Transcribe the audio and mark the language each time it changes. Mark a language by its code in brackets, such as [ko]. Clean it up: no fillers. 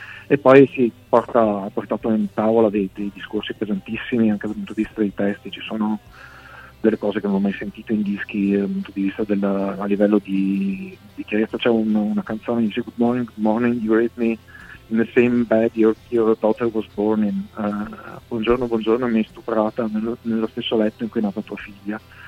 [it] E poi si ha portato in tavola dei discorsi pesantissimi anche dal punto di vista dei testi. Ci sono delle cose che non ho mai sentito in dischi dal punto di vista a livello di chiarezza. C'è una canzone che dice [en] good morning, good morning, you raised me in the same bed your daughter was born in. [it] Buongiorno, buongiorno, mi hai stuprata nello stesso letto in cui è nata tua figlia.